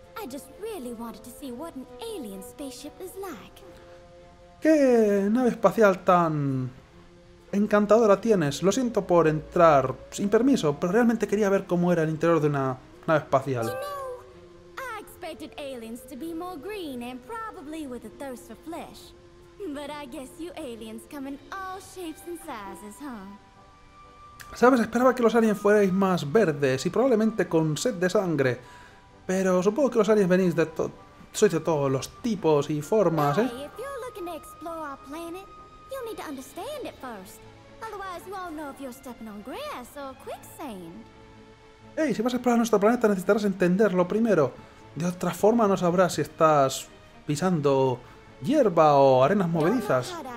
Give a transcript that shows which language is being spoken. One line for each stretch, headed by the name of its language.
English: I just really wanted to see what an alien spaceship is like.
Spanish: ¿Qué nave espacial tan encantadora tienes? Lo siento por entrar sin permiso, pero realmente quería ver cómo era el interior de una nave espacial.
English: You know, I expected aliens to be more green and probably with a thirst for flesh. But I guess you aliens come in all shapes and sizes, huh?
Spanish: Sabes, esperaba que los aliens fuerais más verdes y probablemente con sed de sangre. Pero supongo que los aliens venís de sois de todos los tipos y formas, ¿eh?
English: Hey, if you're looking to explore our planet, you need to understand it first. Otherwise, you won't know if you're stepping on grass or quicksand.
Spanish: Hey, si vas a explorar nuestro planeta, necesitarás entenderlo primero. De otra forma, no sabrás si estás pisando hierba o arenas movedizas.